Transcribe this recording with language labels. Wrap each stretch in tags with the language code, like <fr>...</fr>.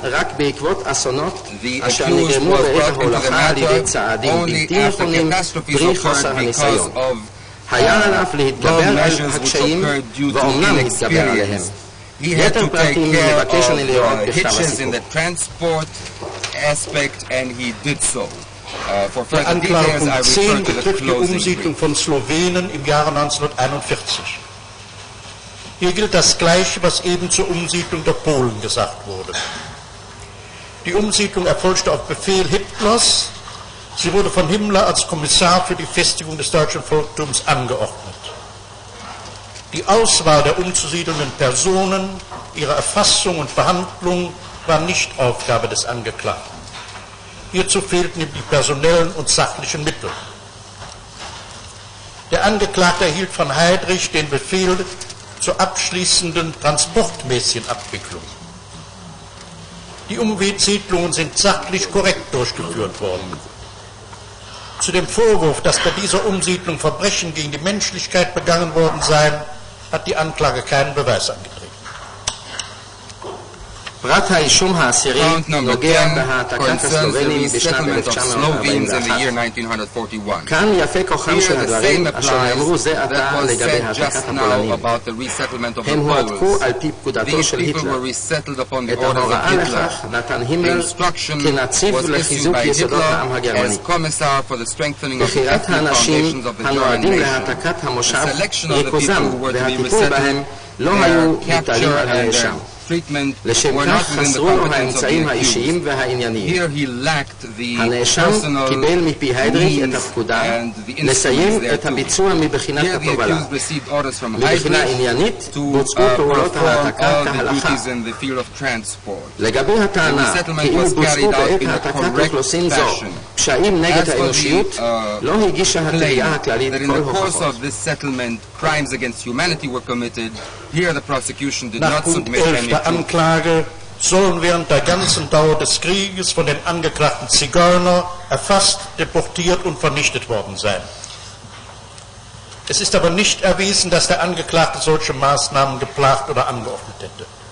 <en>The accused was brought into the matter only after catastrophes occurred because of long measures which occurred due to inexperience. He had to take care of hitches in the transport aspect and he did so.</en> <de>Der Anklagepunkt 10 betrifft die Umsiedlung von Slowenen im Jahre 1941. Hier gilt das Gleiche, was eben zur Umsiedlung der Polen gesagt wurde. Die Umsiedlung erfolgte auf Befehl Hitlers. Sie wurde von Himmler als Kommissar für die Festigung des deutschen Volktums angeordnet. Die Auswahl der umzusiedelnden Personen, ihre Erfassung und Behandlung war nicht Aufgabe des Angeklagten. Hierzu fehlten ihm die personellen und sachlichen Mittel. Der Angeklagte erhielt von Heydrich den Befehl zur abschließenden transportmäßigen Abwicklung. Die Umsiedlungen sind sachlich korrekt durchgeführt worden. Zu dem Vorwurf, dass bei dieser Umsiedlung Verbrechen gegen die Menschlichkeit begangen worden seien, hat die Anklage keinen Beweis angetreten.</de> <he>פרט האישום העשירי נוגע בהעתקת הסלובנים בשנת 1941. כאן יפה כוחם של הדברים אשר נאמרו זה עתה לגבי העתקת הפולנים. הם הועתקו על פי פקודתו של היטלר. את ההוראה לכך נתן הימלר כנציב לחיזוק יסודות העם הגרמני. בחירת האנשים הנועדים להעתקת המושב, ריכוזם והטיפול בהם לא היו ניתנים על הנאשם.</he> <en>Treatment were not within the competence of the accused. Here he lacked the personal means and the instruments thereto. Here the accused received orders from Heydrich to perform all the duties in the field of transport. The resettlement was carried out in a correct fashion. As for the claim that in the course of this settlement crimes against humanity were committed, here the prosecution did not submit any proof.</en> <de>Anklage sollen während der ganzen Dauer des Krieges von den angeklagten Zigeunern erfasst, deportiert und vernichtet worden sein. Es ist aber nicht erwiesen, dass der Angeklagte solche Maßnahmen geplant oder angeordnet hätte.</de>